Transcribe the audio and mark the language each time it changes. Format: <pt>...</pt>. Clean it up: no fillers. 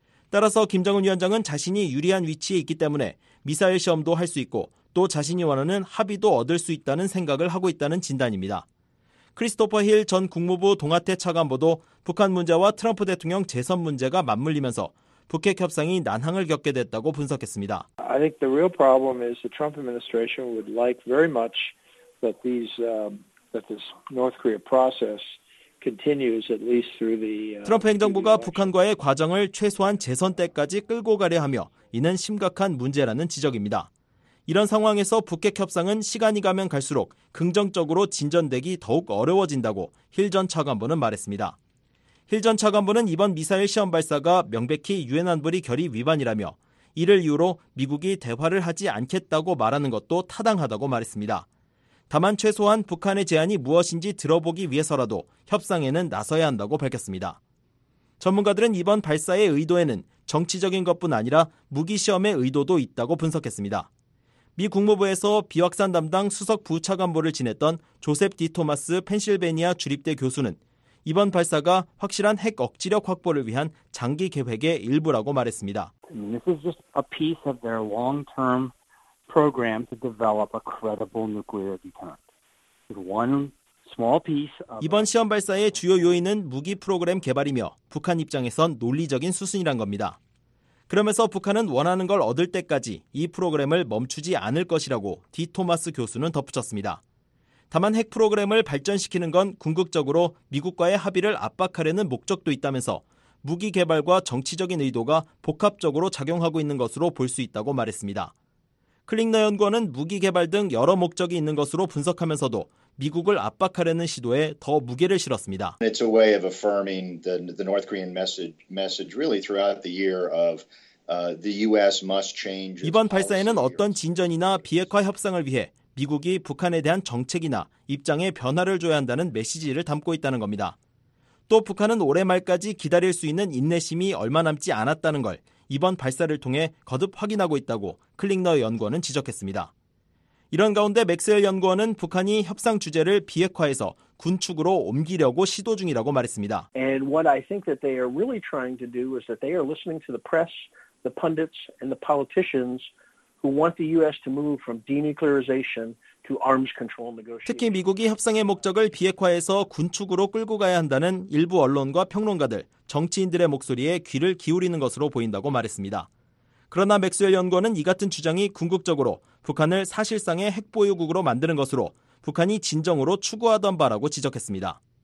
<ko>따라서 김정은 위원장은 자신이 유리한 위치에 있기 때문에 미사일 시험도 할 수 있고 또 자신이 원하는 합의도 얻을 수 있다는 생각을 하고 있다는 진단입니다. 크리스토퍼 힐 전 국무부 동아태 차관보도 북한 문제와 트럼프 대통령 재선 문제가 맞물리면서 북핵 협상이 난항을 겪게 됐다고 분석했습니다.</ko> <en>I think the real problem is the Trump administration would like very much that these that this North Korea process continues at least through the</en> <ko>트럼프 행정부가 북한과의 과정을 최소한 재선 때까지 끌고 가려 하며 이는 심각한 문제라는 지적입니다. 이런 상황에서 북핵 협상은 시간이 가면 갈수록 긍정적으로 진전되기 더욱 어려워진다고 힐 전 차관보는 말했습니다. 힐 전 차관보는 이번 미사일 시험 발사가 명백히 유엔 안보리 결의 위반이라며 이를 이유로 미국이 대화를 하지 않겠다고 말하는 것도 타당하다고 말했습니다. 다만 최소한 북한의 제안이 무엇인지 들어보기 위해서라도 협상에는 나서야 한다고 밝혔습니다. 전문가들은 이번 발사의 의도에는 정치적인 것뿐 아니라 무기시험의 의도도 있다고 분석했습니다. 미 국무부에서 비확산 담당 수석 부차관보를 지냈던 조셉 디토마스 펜실베니아 주립대 교수는 이번 발사가 확실한 핵 억지력 확보를 위한 장기 계획의 일부라고 말했습니다.</ko> <en>This is just a piece of their long-term program to develop a credible nuclear deterrent. One small piece of</en> <ko>이번 시험 발사의 주요 요인은 무기 프로그램 개발이며 북한 입장에선 논리적인 수순이란 겁니다. 그러면서 북한은 원하는 걸 얻을 때까지 이 프로그램을 멈추지 않을 것이라고 디토마스 교수는 덧붙였습니다. 다만 핵 프로그램을 발전시키는 건 궁극적으로 미국과의 합의를 압박하려는 목적도 있다면서 무기 개발과 정치적인 의도가 복합적으로 작용하고 있는 것으로 볼 수 있다고 말했습니다. 클링너 연구원은 무기 개발 등 여러 목적이 있는 것으로 분석하면서도 미국을 압박하려는 시도에 더 무게를 실었습니다.</ko> <en>It's a way of affirming the North Korean message really throughout the year of the U.S. must change.</en> <ko>이번 발사에는 어떤 진전이나 비핵화 협상을 위해 미국이 북한에 대한 정책이나 입장에 변화를 줘야 한다는 메시지를 담고 있다는 겁니다. 또 북한은 올해 말까지 기다릴 수 있는 인내심이 얼마 남지 않았다는 걸 이번 발사를 통해 거듭 확인하고 있다고 클링너 연구원은 지적했습니다. 이런 가운데 맥스웰 연구원은 북한이 협상 주제를 비핵화해서 군축으로 옮기려고 시도 중이라고 말했습니다.</ko> <en>And what I think that they are really trying to do is that they are listening to the press, the pundits and the politicians who want the US to move from denuclearization to arms control negotiations.</en> <ko>특히 미국이 협상의 목적을 비핵화해서 군축으로 끌고 가야 한다는 일부 언론과 평론가들, 정치인들의 목소리에 귀를 기울이는 것으로 보인다고 말했습니다. 그러나 맥스웰 연구원은 이 같은 주장이 궁극적으로 북한을 사실상의 핵 보유국으로 만드는 것으로 북한이 진정으로 추구하던 바라고 지적했습니다.</ko>